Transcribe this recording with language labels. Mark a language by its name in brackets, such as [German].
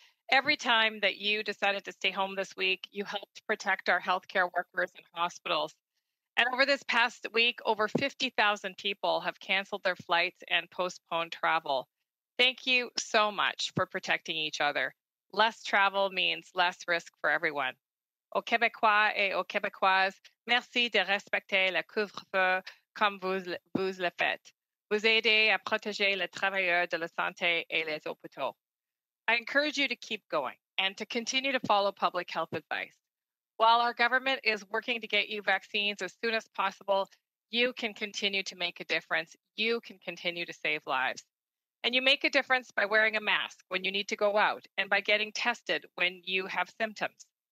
[English] Every time that you decided to stay home this week, you helped protect our healthcare workers and hospitals. And over this past week, over 50,000 people have canceled their flights and postponed travel. Thank you so much for protecting each other. Less travel means less risk for everyone. [French] Aux Québécois et aux Québécoises, merci de respecter le couvre-feu comme vous le faites. Vous aidez à protéger les travailleurs de la santé et les hôpitaux. [English] I encourage you to keep going and to continue to follow public health advice. While our government is working to get you vaccines as soon as possible, you can continue to make a difference. You can continue to save lives. And you make a difference by wearing a mask when you need to go out and by getting tested when you have symptoms.